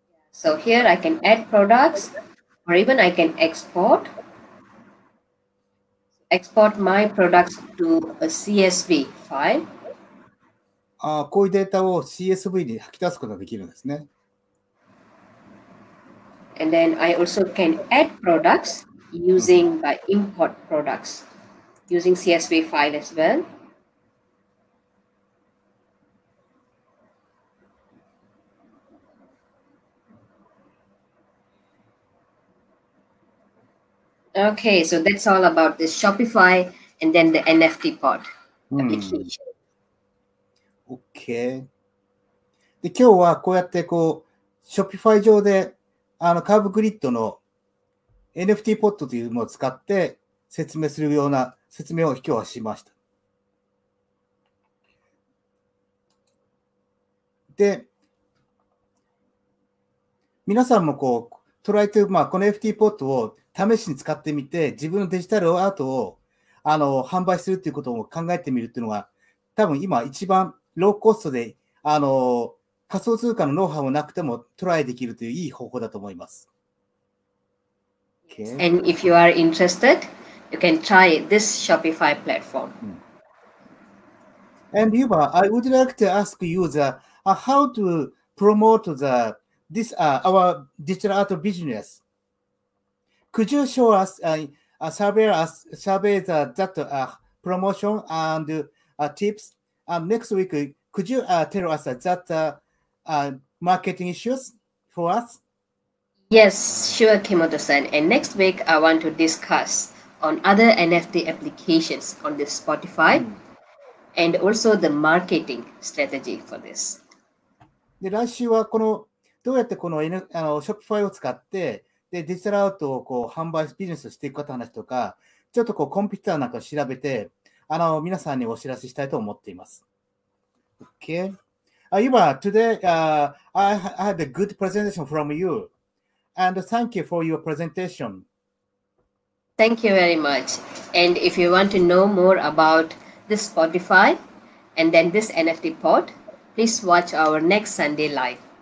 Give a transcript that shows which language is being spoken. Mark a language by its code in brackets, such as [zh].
[en] So here I can add products, or even I can export. Export my products to a CSV file. [ja] ああ、こういうデータを CSV に吐き出すことができるんですね。 [en] And then I also can add products using by import products using CSV file as well. Okay, so that's all about this Shopify and then the NFT pod application. Okay. [ja] で、今日はこうやってこう Shopify 上で、あの、カーブグリッドの NFT ポッドというものを使って説明するような説明を今日はしました。で、皆さんもこう、トライトゥ、まあ、この NFT ポッドを試しに使ってみて、自分のデジタルアートを、あの、販売するということを考えてみるっていうのが、多分今一番ローコストで、あの、仮想通貨のノウハウもなくてもトライできるといういい方法だと思います。 [en] Okay. And if you are interested, you can try this Shopify platform. And Yuba, I would like to ask you the, how to promote the, this, our digital art business. Could you show us, survey the, that promotion and tips? And next week, could you tell us that marketing issues for us? Yes, sure, Kimoto-san. And next week, I want to discuss on other NFT applications on this Spotify and also the marketing strategy for this. [ja] で、来週はこのどうやってこの N、あの、Shopify を使ってでデジタルアウトをこう販売ビジネスしていくかという話とか、ちょっとこうコンピューターなんかを調べて、あの、皆さんにお知らせしたいと思っています。 [en] OK。 Yuba, today I had a good presentation from you, and thank you for your presentation. Thank you very much. And if you want to know more about this Spotify and then this NFT pod, please watch our next Sunday live.